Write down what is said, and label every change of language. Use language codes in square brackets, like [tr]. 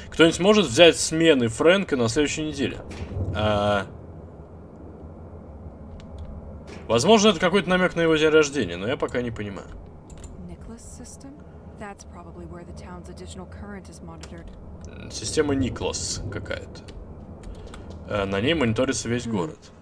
[ru] Кто-нибудь может взять смены Фрэнка на следующей неделе? Возможно, это какой-то намек на его день рождения, но я пока не понимаю. [en] Nicholas system? That's probably where the town's additional current is monitored. [ru] Система Николас какая-то. На ней мониторится весь город.